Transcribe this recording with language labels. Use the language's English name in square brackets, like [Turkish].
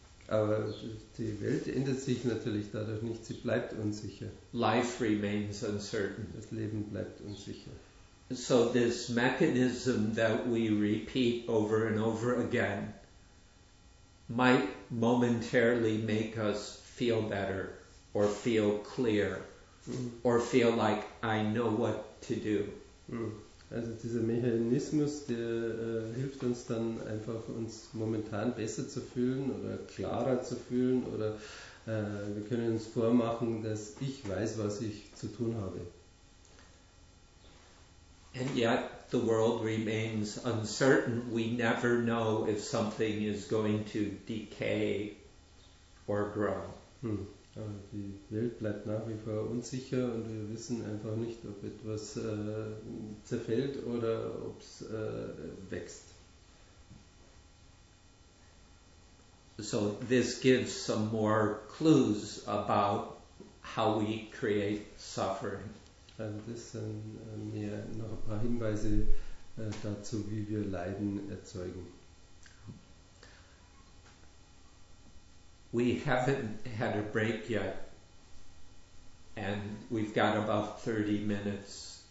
[German] Aber die Welt ändert sich natürlich dadurch nicht, sie bleibt unsicher. [English] Life remains uncertain. [German] Das Leben bleibt unsicher. [English] So this mechanism that we repeat over and over again might momentarily make us feel better or feel clear or feel like I know what to do. [German] Also dieser Mechanismus, der hilft uns dann einfach, uns momentan besser zu fühlen oder klarer zu fühlen, oder wir können uns vormachen, dass ich weiß, was ich zu tun habe. [English] And yet the world remains uncertain. We never know if something is going to decay or grow. [German] Aber die Welt bleibt nach wie vor unsicher und wir wissen einfach nicht, ob etwas zerfällt oder ob es wächst. [English] So this gives some more clues about how we create suffering. [German] Also das sind mehr noch ein paar Hinweise dazu, wie wir Leiden erzeugen. [English] We haven't had a break yet, and we've got about 30 minutes.